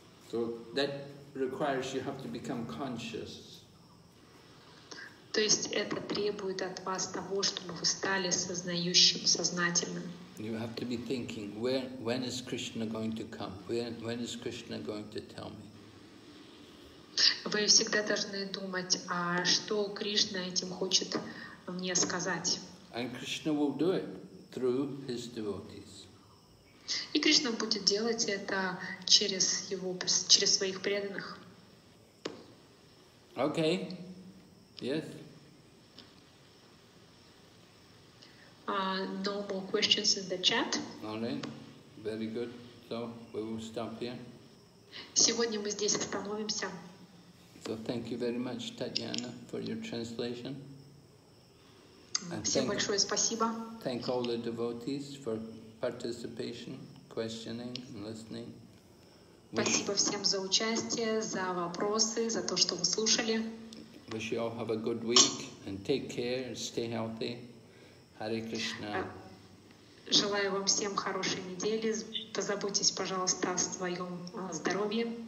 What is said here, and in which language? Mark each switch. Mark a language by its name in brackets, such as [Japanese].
[English] So that requires you have to become conscious. [Russian] То есть это требует от вас того, чтобы вы стали сознающим, сознательным. [English] You have to be thinking, when is Krishna going to come? When is Krishna going to tell me? [Russian] Вы всегда должны думать, а что Кришна этим хочет мне сказать? [English] And Krishna will do it through his devotees. [Russian] И Кришна будет делать это через его, через своих преданных. [English] Okay. Yes. No more questions in the chat. All right. Very good. So we will stop here. [Russian] Сегодня мы здесь остановимся. [English] So thank you very much, Tatiana, for your translation. [Russian] And всем большое спасибо. [English] Thank all the devotees for participation, questioning, and listening. [Russian] Спасибо всем за участие, за вопросы, за то, что вы слушали. [English] Wish you all have a good week and take care and stay healthy. Hare Krishna. [Russian] Желаю вам всем хорошей недели. Позаботьтесь, пожалуйста, о своем здоровье.